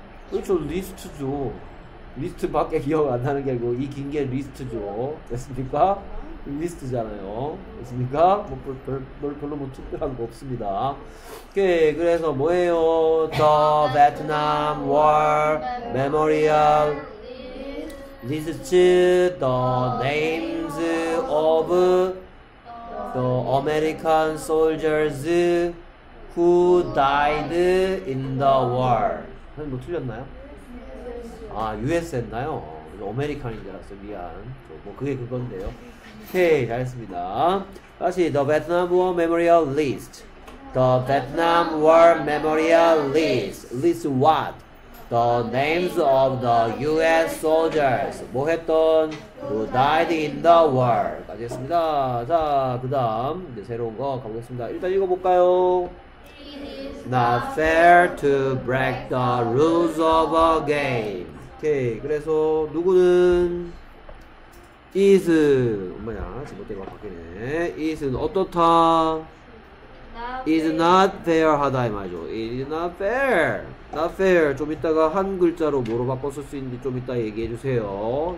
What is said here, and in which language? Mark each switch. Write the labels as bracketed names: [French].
[Korean] 그렇죠. 리스트죠. 리스트밖에 기억 안 나는 게 아니고 이 긴 게 리스트죠. 됐습니까? 리스트잖아요. 됐습니까? 뭐 별로 뭐 특별한 거 없습니다. 오케이. 그래서 뭐예요? [English] The Vietnam War Memorial lists the names of the American soldiers who died in the war. [Korean] 선생님 뭐 틀렸나요? 아, US였나요? 아메리칸인 줄 알았어요. 미안. 뭐 그게 그건데요. 오케이, 잘했습니다. 다시 [English] The Vietnam War Memorial List. The Vietnam War Memorial List. List what? The names of the U.S. soldiers. [Korean] 뭐 했던? [English] Who died in the war. [Korean] 까지 했습니다. 자, 그 다음 이제 새로운 거 가보겠습니다. 일단 읽어볼까요? [English] Not fair to break the rules of a game. [Korean] 오케이. 그래서 누구는 is 뭐냐? 지금 어때가 바뀌네. is는 어떻다? [English] Is not fair [Korean] 하다 이 말이죠. [English] Is not fair. Not fair. [Korean] 좀 이따가 한 글자로 뭐로 바꿔 쓸 수 있는지 좀 이따 얘기해 주세요.